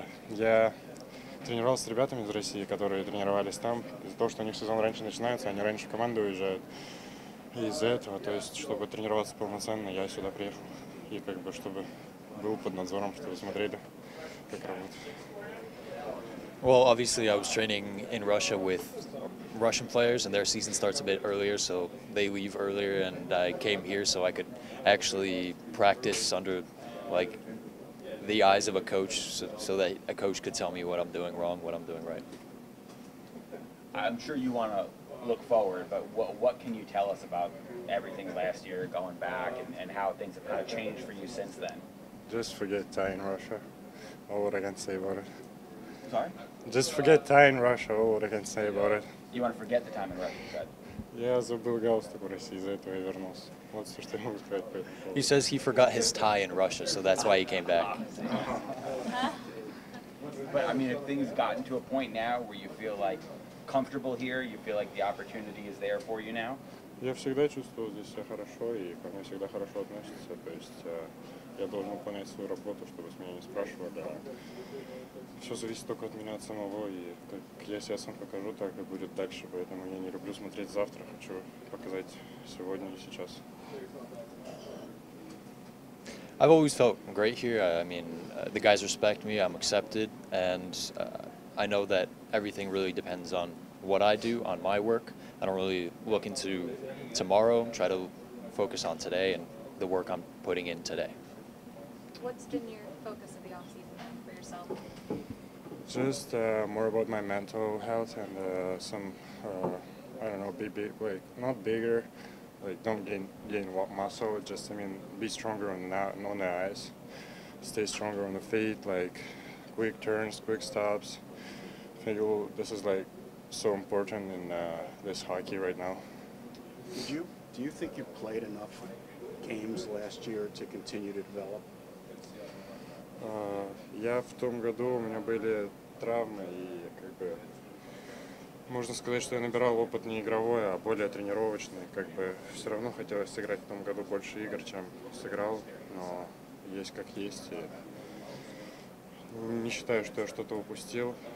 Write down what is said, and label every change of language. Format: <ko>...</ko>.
<ru>Я тренировался с ребятами из России, которые тренировались там. Из-за того, что у них сезон раньше начинается, они раньше в команду уезжают. И из-за этого, то есть, чтобы тренироваться полноценно, я сюда приехал. И как бы, чтобы был под надзором, чтобы смотрели, как работает.</ru> <en>Well, obviously, I was training in Russia with Russian players, and their season starts a bit earlier, so they leave earlier, and I came here so I could actually practice under, like, the eyes of a coach, so that a coach could tell me what I'm doing wrong, what I'm doing right. I'm sure you want to look forward, but what can you tell us about everything last year, going back, and how things have kind of changed for you since then? Just forget Ty in Russia, all what I can say about it. Sorry? Just forget Ty in Russia, all what I can say about it. You want to forget the time in Russia, you said?</en> <ru>Я забыл галстук в России, из-за этого я вернулся. Вот все, что я могу сказать по этому</ru> <en>поводу. He says he forgot his tie in Russia, so that's why he came back. But, I mean, have things gotten to a point now where you feel, like, comfortable here? You feel like the opportunity is there for you now?</en> <ru>Я всегда чувствовал здесь все хорошо, и ко мне всегда хорошо относятся. То есть я должен выполнять свою работу, чтобы с меня не спрашивали. Все зависит только от меня, от самого, и как я себя сам покажу, так и будет дальше. Поэтому я не люблю смотреть завтра, хочу показать сегодня и сейчас.</ru> <en>I've always felt great here. I mean, the guys respect me, I'm accepted, and I know that everything really depends on what I do, on my work. I don't really look into tomorrow, try to focus on today and the work I'm putting in today. What's been your focus of the offseason for yourself? Just more about my mental health and some, I don't know, don't gain muscle, just, I mean, be stronger on the ice, stay stronger on the feet, like, quick turns, quick stops. I think this is, like, so important in this hockey right now. Do you think you played enough games last year to continue to develop?</en> <ru>Я в том году, у меня были травмы, и как бы можно сказать, что я набирал опыт не игровой, а более тренировочный. Как бы все равно хотелось сыграть в том году больше игр, чем сыграл, но есть как есть. И не считаю, что я что-то упустил.</ru>